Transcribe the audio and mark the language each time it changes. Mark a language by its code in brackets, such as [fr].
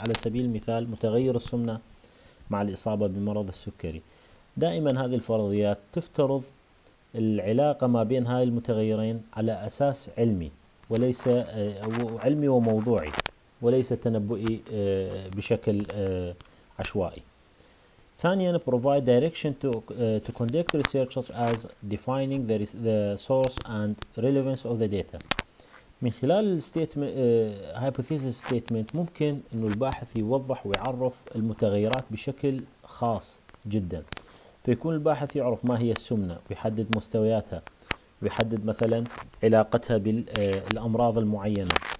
[ar] على سبيل المثال، متغير السمنة مع الإصابة بمرض السكري، دائما هذه الفرضيات تفترض العلاقة ما بين هاي المتغيرين على أساس علمي وليس علمي وموضوعي وليس تنبؤي بشكل عشوائي. ثانيا، [en] provide direction to conduct research as defining the source and relevance of the data. [ar] من خلال hypothesis statement ممكن أن الباحث يوضح ويعرف المتغيرات بشكل خاص جدا، فيكون الباحث يعرف ما هي السمنة ويحدد مستوياتها ويحدد مثلا علاقتها بالأمراض المعينة.